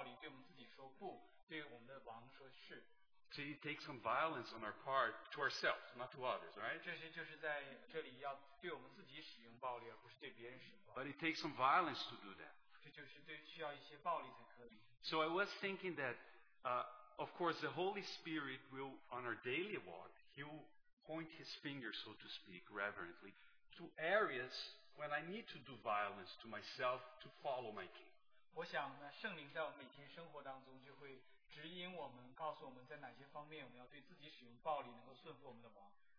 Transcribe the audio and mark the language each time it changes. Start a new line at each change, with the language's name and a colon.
Chinese: 这时候就是要我们用对自己使用暴力，对我们自己说不，对我们的王说是。
English: To take some violence on our part to ourselves, not to others, right?
Chinese: 这些就是在这里要对我们自己使用暴力，而不是对别人使用暴力。
English: But it takes some violence to do that.
Chinese: 这就是需要一些暴力才可以。
English: So I was thinking that, of course, the Holy Spirit will, on our daily walk, He will point His finger, so to speak, reverently, to areas when I need to do violence to myself to follow my King.
Chinese: 我想，圣灵在我们每天生活当中就会。指引我们，告诉我们在哪些方面我们要对自己使用暴力，能够顺服我们的王。